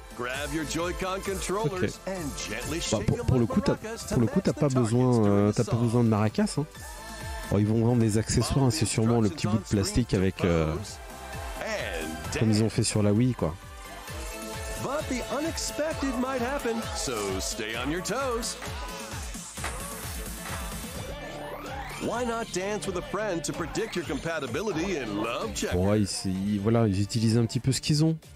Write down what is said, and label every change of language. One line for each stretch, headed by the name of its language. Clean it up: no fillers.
English: Grab your Joy-Con controllers and gently shake.
French: Pour le coup, t'as pas besoin de maracas. Hein. Oh, ils vont vendre des accessoires. Hein, c'est sûrement le petit bout de plastique avec. Comme ils ont fait sur la Wii, quoi.
English: But the unexpected might happen, so stay on your toes. Why not dance with a friend to predict your compatibility in love checker?
French: Ouais, voilà, ils utilisent un petit peu ce qu'ils ont.